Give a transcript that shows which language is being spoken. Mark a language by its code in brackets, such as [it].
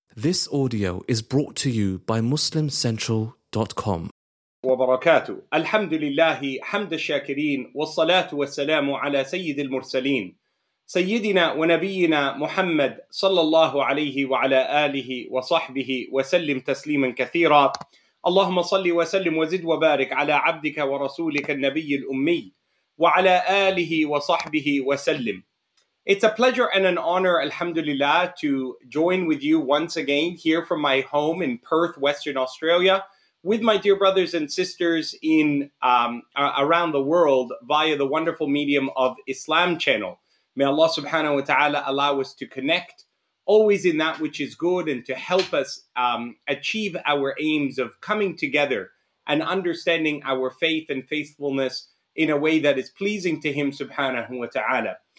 [en] This audio is brought to you by MuslimCentral.com. [ar] وبركاته. الحمد لله حمد الشاكرين والصلاة والسلام على سيد المرسلين سيدنا ونبينا محمد صلى الله عليه وعلى آله وصحبه وسلم تسليما كثيرا. اللهم صل وسلم وزد وبارك على عبدك ورسولك النبي الأمي وعلى آله وصحبه وسلم. [en] It's a pleasure and an honor, alhamdulillah, to join with you once again here from my home in Perth, Western Australia, with my dear brothers and sisters in around the world via the wonderful medium of Islam Channel. May Allah subhanahu wa ta'ala allow us to connect always in that which is good and to help us achieve our aims of coming together and understanding our faith and faithfulness in a way that is pleasing to Him subhanahu wa ta'ala.